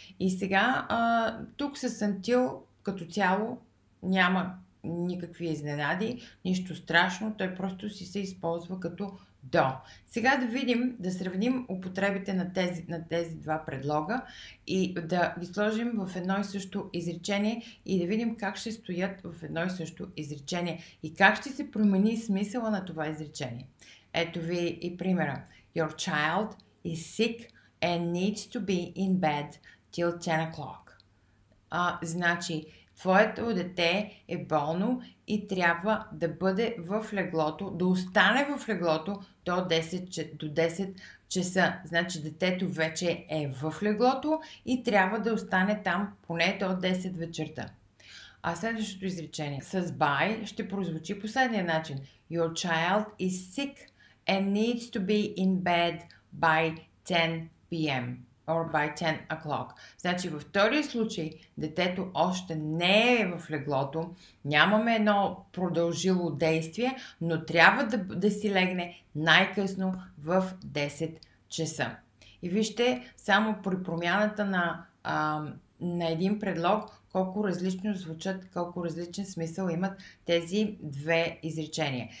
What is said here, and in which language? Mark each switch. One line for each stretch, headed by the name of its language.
Bulgarian: И сега тук с until като цяло няма никакви изненади, нищо страшно, той просто си се използва като до. Сега да видим, да сравним употребите на тези два предлога и да ги сложим в едно и също изречение и да видим как ще стоят в едно и също изречение и как ще се промени смисъла на това изречение. Ето ви и примера.
English: Your child is sick and needs to be in bed till 10 o'clock.
Bulgarian: Значи, твоето дете е болно и трябва да бъде в леглото, да остане в леглото до 10 часа. Значи детето вече е в леглото и трябва да остане там поне до 10 вечерта. А следващото изречение с by ще прозвучи последния начин.
English: Your child is sick and needs to be in bed by 10 p.m. or by 10 o'clock.
Bulgarian: Значи във втория случай детето още не е в леглото, нямаме едно продължило действие, но трябва да си легне най-късно в 10 часа. И вижте, само при промяната на един предлог, колко различно звучат, колко различен смисъл имат тези две изречения.